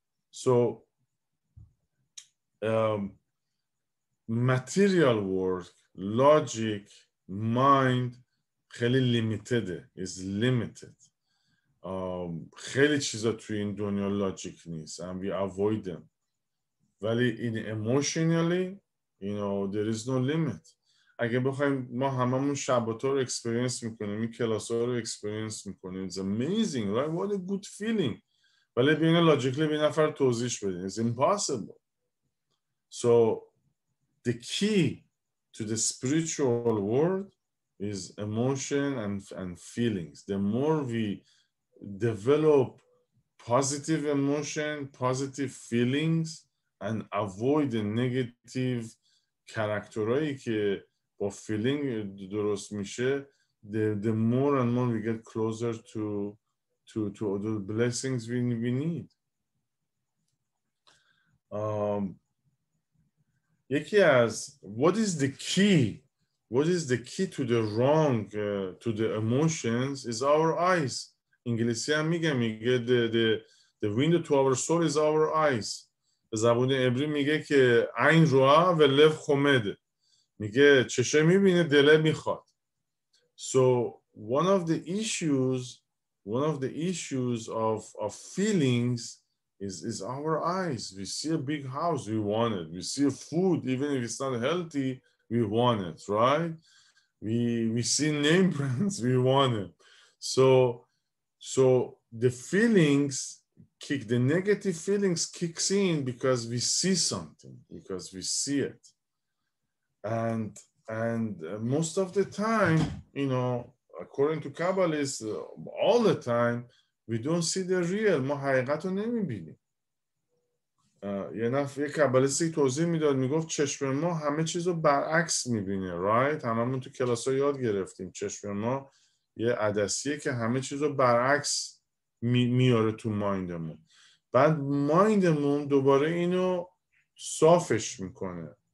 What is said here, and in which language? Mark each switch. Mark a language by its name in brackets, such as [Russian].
[English] So material work, logic, mind [Persian] خیلی [English] limited is limited. [Persian] خیلی چیزا توی این دنیا لاجیک نیست [English] and we avoid them. [Persian] ولی [English] in emotionally you know there is no limit. [Persian] اگه بخوایم ما هممون شبات رو اکسپریانس میکنیم، این کلاس ها رو اکسپریانس میکنیم، [English] it's amazing, right? What a good feeling. [Persian] ولی بیاین لاجیکلی به نفر توضیح بدین، [English] it's impossible. So the key to the spiritual world is emotion and feelings. The more we develop positive emotion, positive feelings, and avoid the negative characterهایی [Persian] که با feeling درست میشه, [English] the more and more we get closer to all the blessings we need. What is the key? What is the key to the wrong, to the emotions, is our eyes. [Persian] انگلیسی هم میگه [English] the window to our soul is our eyes. [Persian] به زبان عبری میگه که [Hebrew] عین روا و لب خمد. [Persian] میگه چشم میبینه دل میخواد. [English] So one of the issues of feelings is our eyes. We see a big house, we want it. We see food, even if it's not healthy, we want it, right? We see name brands, we want it. So the feelings kick, the negative feelings kicks in because we see something, because we see it. And most of the time, you know, according to Kabbalists, all the time, we don't see the real. [Persian] ما حقیقت رو نمیبینیم. یه کابالیستی توضیح میداد میگفت چشم ما همه چیز رو برعکس میبینه. [English] Right? [Persian] هممون تو کلاس ها یاد گرفتیم. چشم ما یه عدسیه که همه چیز رو برعکس میاره تو مایندمون. بعد مایندمون دوباره اینو صافش میکنه.